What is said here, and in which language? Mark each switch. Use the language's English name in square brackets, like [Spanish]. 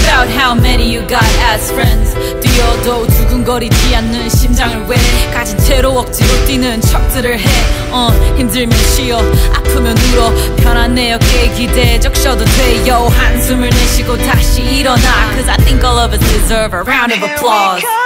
[English] How many you got as friends? [Korean] 뛰어도 두근거리지 않는 심장을 왜 가진 채로 억지로 뛰는 척들을 해. 힘들면 쉬어, 아프면 울어. 편한 내 어깨 기대에 적셔도 돼요. 한숨을 내쉬고 다시 일어나. [English] Cause I think all of us deserve a round of applause.